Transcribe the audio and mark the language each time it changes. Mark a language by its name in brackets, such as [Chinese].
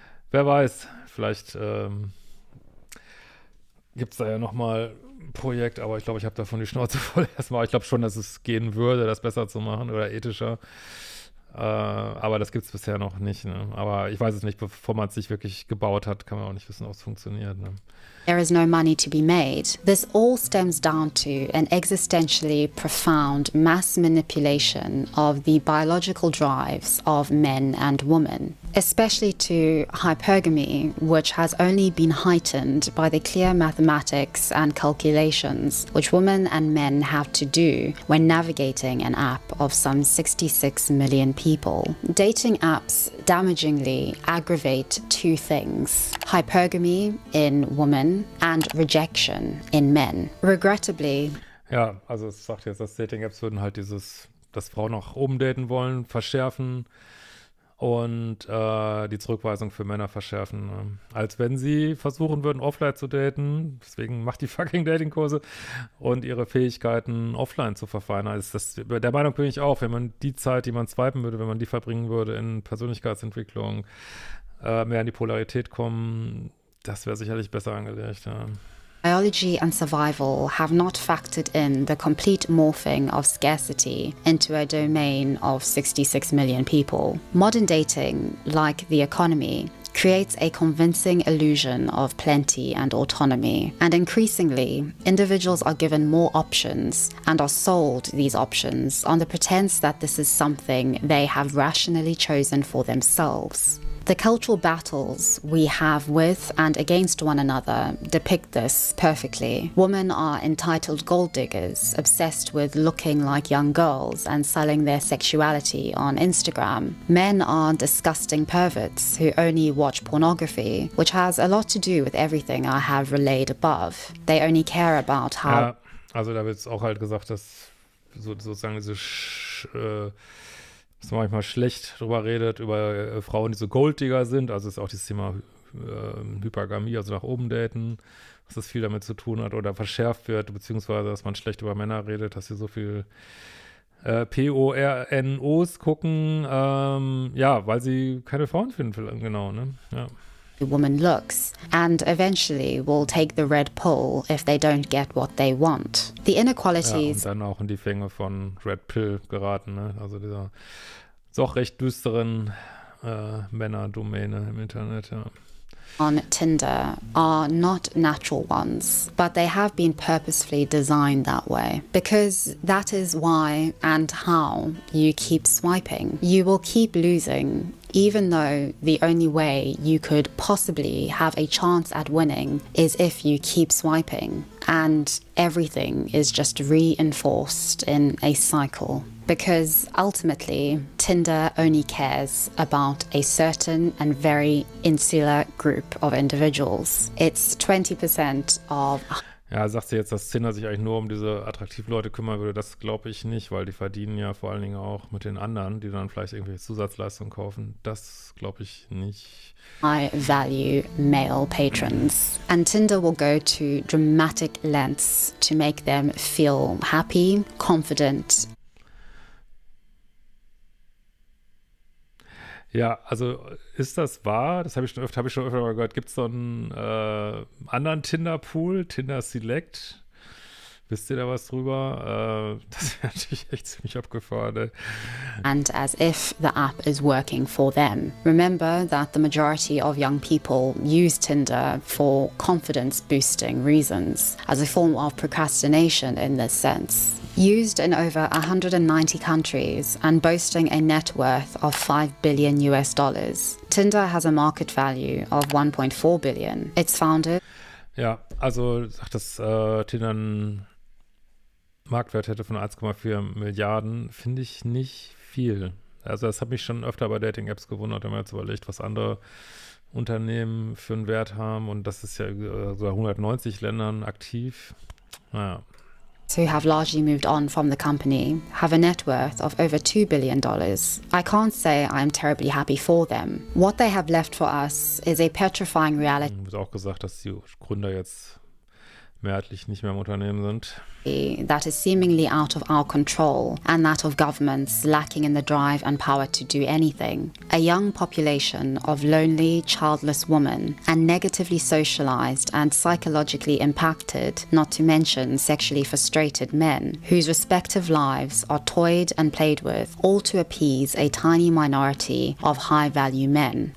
[German] Wer weiß, vielleicht gibt es da ja nochmal ein Projekt, aber ich glaube, ich habe davon die Schnauze voll erstmal. Ich glaube schon, dass es gehen würde, das besser zu machen oder ethischer. Aber das gibt es bisher noch nicht. Ne? Aber ich weiß es nicht, bevor man es sich wirklich gebaut hat, kann man auch nicht wissen, ob es funktioniert. Ne? [English] There is no money to be made. This all stems down to an existentially profound mass manipulation of the biological drives of men and women. Especially to hypergamy, which has only been heightened by the clear mathematics and calculations which women and men have to do when navigating an app of some 66 million people. Dating apps damagingly aggravate two things: hypergamy in women and rejection in men. Regrettably, [German] Ja, also es sagt jetzt, dass Dating-Apps würden halt dieses, dass Frauen auch umdaten wollen, verschärfen und die Zurückweisung für Männer verschärfen. Ne? Als wenn sie versuchen würden, offline zu daten, deswegen macht die fucking Dating-Kurse und ihre Fähigkeiten offline zu verfeinern. Also ist das, der Meinung bin ich auch, wenn man die Zeit, die man swipen würde, wenn man die verbringen würde in Persönlichkeitsentwicklung, mehr in die Polarität kommen, das wäre sicherlich besser angelegt, ja. [English] Biology and survival have not factored in the complete morphing of scarcity into a domain of 66 million people. Modern dating, like the economy, creates a convincing illusion of plenty and autonomy. And increasingly, individuals are given more options and are sold these options on the pretense that this is something they have rationally chosen for themselves. The cultural battles we have with and against one another depict this perfectly. Women are entitled gold diggers, obsessed with looking like young girls and selling their sexuality on Instagram. Men are disgusting perverts who only watch pornography, which has a lot to do with everything I have relayed above. They only care about how. [German] Ja, also da wird es auch halt gesagt, dass sozusagen diese dass man manchmal schlecht drüber redet, über Frauen, die so Golddigger sind. Also ist auch dieses Thema Hypergamie, also nach oben daten, dass das viel damit zu tun hat oder verschärft wird, beziehungsweise dass man schlecht über Männer redet, dass sie so viel PORNOs gucken. Ja, weil sie keine Frauen finden, vielleicht, genau, ne? Ja. [English] The woman looks and eventually will take the red pill if they don't get what they want. The [German] Ja, und [English] inequalities. [German] dann auch in die Fänge von Red Pill geraten, ne? Also dieser doch recht düsteren Männerdomäne im Internet, ja. [English] On Tinder are not natural ones, but they have been purposefully designed that way. Because that is why and how you keep swiping. You will keep losing, even though the only way you could possibly have a chance at winning is if you keep swiping, and everything is just reinforced in a cycle. Because ultimately, Tinder only cares about a certain and very insular group of individuals. It's 20% of. [German] Ja, sagt sie jetzt, dass Tinder sich eigentlich nur um diese Attraktivleute kümmern würde? Das glaube ich nicht, weil die verdienen ja vor allen Dingen auch mit den anderen, die dann vielleicht irgendwelche Zusatzleistungen kaufen. Das glaube ich nicht. [English] I value male patrons. And Tinder will go to dramatic lengths to make them feel happy, confident. [German] Ja, also ist das wahr? Das habe ich schon öfter mal gehört. Gibt es so einen anderen Tinder-Pool, Tinder Select? Wisst ihr da was drüber? Das wäre natürlich echt ziemlich abgefahren, ey. [English] And as if the app is working for them. Remember that the majority of young people use Tinder for confidence-boosting reasons, as a form of procrastination in this sense. Used in over 190 countries and boasting a net worth of $5 billion, Tinder has a market value of 1.4 billion. Its founder. [German] Ja, also sagt das, Tinder einen Marktwert hätte von 1,4 Milliarden, finde ich nicht viel. Also das hat mich schon öfter bei Dating-Apps gewundert, wenn man jetzt überlegt, was andere Unternehmen für einen Wert haben und das ist ja sogar 190 Ländern aktiv. Naja. [English] Who have largely moved on from the company have a net worth of over $2 billion. I can't say I'm terribly happy for them. What they have left for us is a petrifying reality. [German] Wird auch gesagt, dass die Gründer jetzt mehrheitlich nicht mehr im Unternehmen sind. [English] That is seemingly out of our control and that of governments lacking in the drive and power to do anything. A young population of lonely, childless women and negatively socialized and psychologically impacted, not to mention sexually frustrated men, whose respective lives are toyed and played with, all to appease a tiny minority of high-value men.